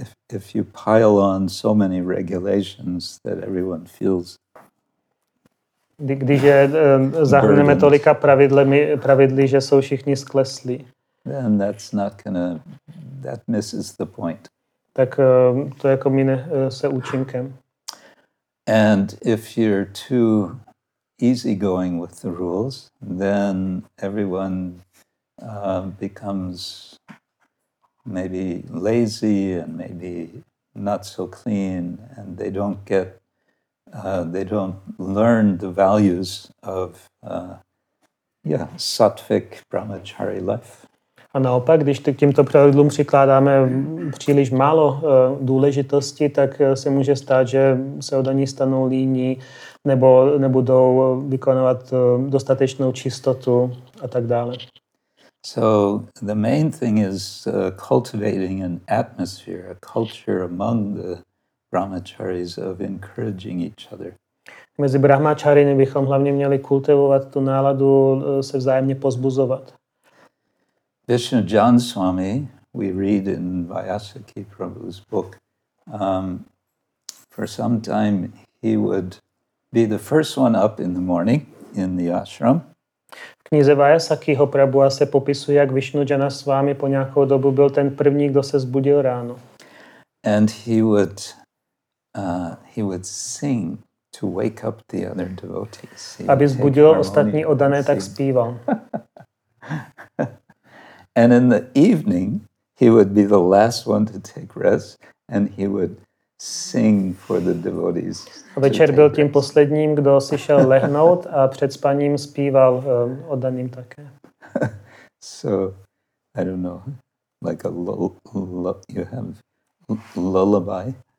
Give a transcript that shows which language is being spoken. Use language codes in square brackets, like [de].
[en] If you pile on so many regulations that everyone feels, [cs] když zahrneme tolika pravidly, že jsou všichni skleslí, [en] then that's not gonna, that misses the point. [cs] Tak to jako mine se účinkem. [en] And if you're too easygoing with the rules, then everyone becomes maybe lazy and maybe not so clean, and they don't get, they don't learn the values of, sattvic brahmachari life. [cs] A naopak, když k tímto pravidlům přikládáme příliš málo důležitosti, tak se může stát, že se od ní stanou líní, nebo nebudou vykonovat dostatečnou čistotu a tak dále. [en] So the main thing is cultivating an atmosphere, a culture among the brahmacharis of encouraging each other. [cs] Mezi brahmacharyni bychom hlavně měli kultivovat tu náladu se vzájemně pozbuzovat. [en] Vishnu Jan Swami, we read in Vyasa Ki Prabhu's book, for some time he would be the first one up in the morning in the ashram. [cs] V knize Vyasakiho Prabhuva se popisuje, jak Vishnu Jana s vámi po nějakou dobu byl ten první, kdo se zbudil ráno. [en] And he would sing to wake up the other devotees. [cs] Aby zbudil ostatní oddané, tak zpíval. [en] And in the evening, he would be the last one to take rest, and he would sing for the devotees. [cs] A večer byl tím posledním, kdo si šel lehnout a před spaním zpíval oddaným také. [en] So, I don't know, like a you have lullaby.